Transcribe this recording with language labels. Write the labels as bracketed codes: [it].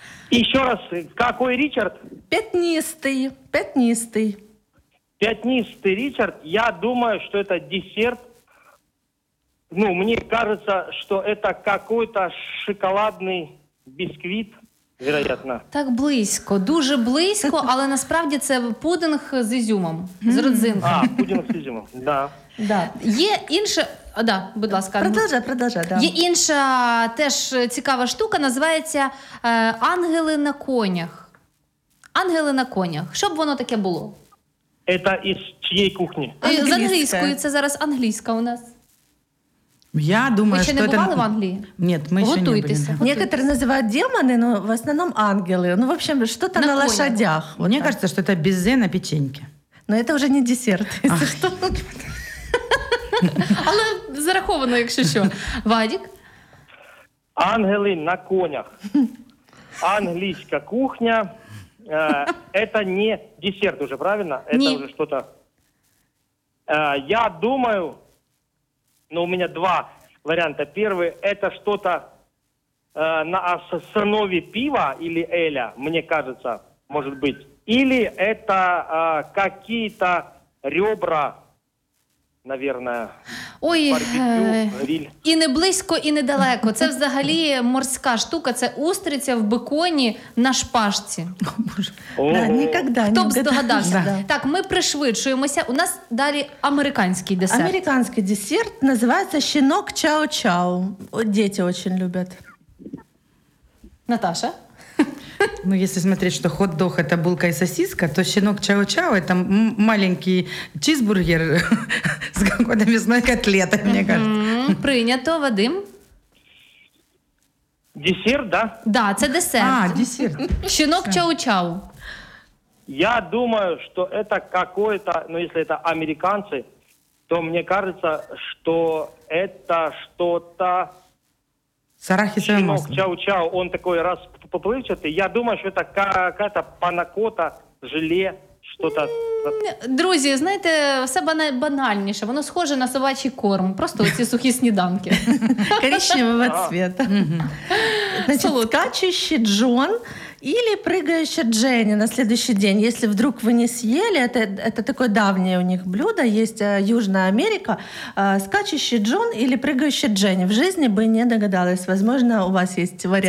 [ru] Еще раз, какой Ричард? Пятнистый. Пятнистый Ричард. Я думаю, что это десерт. Ну, мне кажется, что это какой-то шоколадный бисквит, вероятно. [uk] Так близько, дуже близько, але насправді це пудинг з ізюмом, з родзинкою. А, пудинг з ізюмом, да. Да. Є інше... Да, будь ласка. Продовжай, да. Є інша теж цікава штука, називається «Ангели на конях». «Ангели на конях». Що б воно таке було? Это із чиєї кухні? Англійська. З англійською, це зараз англійська у нас. [ru] Я думаю, вы что не это... бывали в Англии? Нет, мы [uk] готуйтесь, [ru] еще не были. Некоторые называют демоны, но в основном ангелы. Ну, в общем, что-то на лошадях. Вот мне так. Кажется, что это безе на печеньке. Но это уже не десерт, если что. [uk] Але зараховано, якщо що. Вадик? Ангели на конях. Англійская кухня. [ru] Это не десерт уже, правильно? Нет. Это уже что-то... Я думаю... Но у меня два варианта. Первый – это что-то на основе пива или эля, мне кажется, может быть. Или это какие-то ребра, наверное. [uk] Ой, і не близько, і не далеко. Це взагалі морська штука. Це устриця в беконі на шпажці. Ніколи. Хто б здогадався? Так, ми пришвидшуємося. У нас далі американський десерт. Американський десерт називається «Щенок чау-чау». Діти дуже люблять. Наташа? [ru] Ну, если смотреть, что хот-дог – это булка и сосиска, то щенок чао-чао – это маленький чизбургер с какой-то мясной котлетой, мне кажется. Принято, Вадим. Десерт, да? [uk] Да, це десерт. [ru] А, десерт. Щенок чао-чао. Я думаю, что это какое-то, ну, если это американцы, то мне кажется, что это что-то... С арахисовым маслом. Щенок чао-чао, он такой раз... Поплывчатый. [uk] Я думаю, що це [ru] какая-то панакота, желе, что-то. [uk] Друзі, знаєте, все банальніше. Воно схоже на собачий корм. Просто оці сухі сніданки. Коричневого цвіта. [ru] Значить, скачущий Джон или прыгающая Дженни на следующий день. Если вдруг вы не съели, это такое давнее у них блюдо, есть Южная Америка, скачущий Джон или прыгающая Дженни. В жизни бы не догадалась. Возможно, у вас есть варианты.